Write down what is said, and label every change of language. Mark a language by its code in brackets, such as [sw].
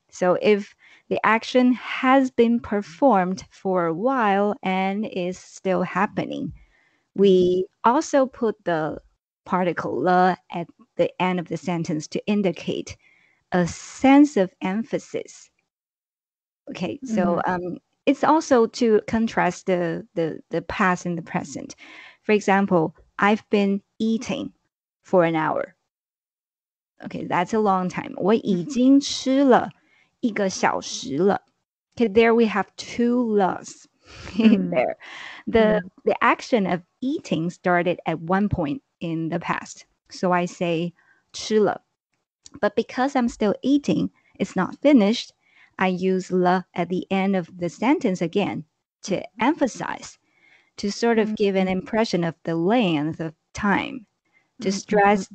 [en] So if the action has been performed for a while and is still happening, we also put the particle "le" at the end of the sentence to indicate a sense of emphasis. Okay, so mm-hmm. It's also to contrast the past and the present. For example, I've been eating for an hour. Okay, that's a long time. [zh] 我已经吃了一个小时了. [en] Okay, there we have two "le"s in there. The action of eating started at one point in the past. So I say 吃了.But because I'm still eating, it's not finished. I use "le" at the end of the sentence again to emphasize, to sort of give an impression of the length of time. To stress mm-hmm.